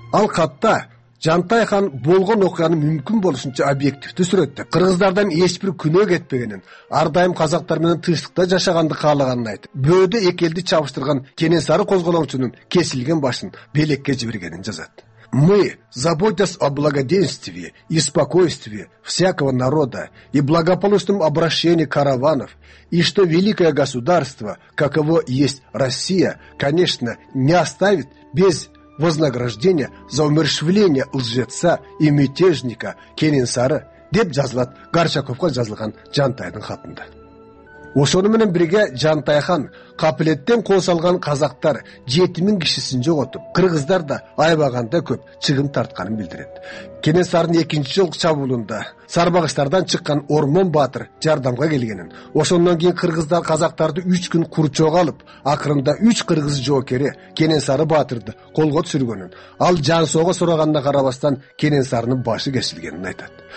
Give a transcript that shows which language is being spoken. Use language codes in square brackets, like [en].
[ky] Ал катта Жантай хан болгон окуяны мүмкүн болушунча объективдүү сүрөттөп, кыргыздардан эч бир күнөө кетпегенин, ар дайым казактар менен тынчтыкта жашаганды каалаганын айтып, бөөдө эки элди чабыштырган Кененсары козголоңчунун кесилген башын белекке жибиргенин жазат. [ru] Мы, заботясь о благоденствии и спокойствии всякого народа и благополучном обращении караванов, и что великое государство, каково есть Россия, конечно, не оставит без вознаграждение за умерщвление лжеца и мятежника Кененсары, [ky] деп жазылат Горчаковго жазылган Жантайдын хатында. Ошону менен бирге Жантай хан капилеттен кол салган казактар 7000 кишисин жоготуп, кыргыздар да аябаганда көп чыгым тартканын билдирет. Кененсарын экинчи жолку чабуулунда Сарбагыштардан чыккан Ормон баатыр жардамга келгенин, ошондон кийин кыргыздар казактарды 3 күн курчоого алып, акырында 3 кыргыз жоокери Кененсары баатырды колго түшүргөнүн, ал жансоого сурагандан карабастан Кененсарынын башы кесилгенин айтат.